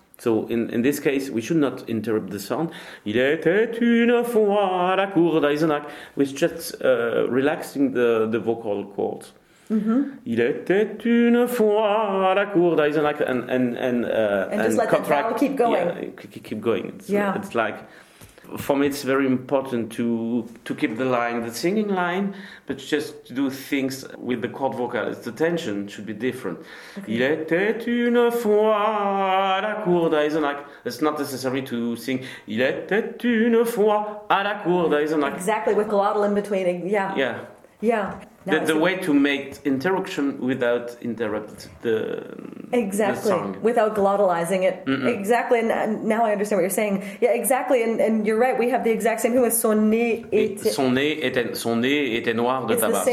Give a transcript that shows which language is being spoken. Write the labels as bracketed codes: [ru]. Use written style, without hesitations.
[en] So in this case, we should not interrupt the sound. [fr] Il était une fois à la cour d'Eisenach. [en] We're just relaxing the vocal cords. Mm-hmm. [fr] Il était une fois à la cour d'Eisenach. [en] And just let the vowel keep going. Yeah, keep going. It's like for me, it's very important to keep the line, the singing line, but just to do things with the chord vocal. The tension should be different. Okay. [fr] Il était une fois à la cour d'Eisenach. [en] It's not necessary to sing. [fr] Il était une fois à la cour d'Eisenach. [en] Exactly, with glottal in between. Yeah. Yeah. Yeah. No, the way to make interruption without interrupting the exactly, the song. Without glottalizing it. Mm-mm. Exactly, and now I understand what you're saying. Yeah, exactly, and you're right, we have the exact same thing with [fr] son nez était... Son nez était noir de tabac.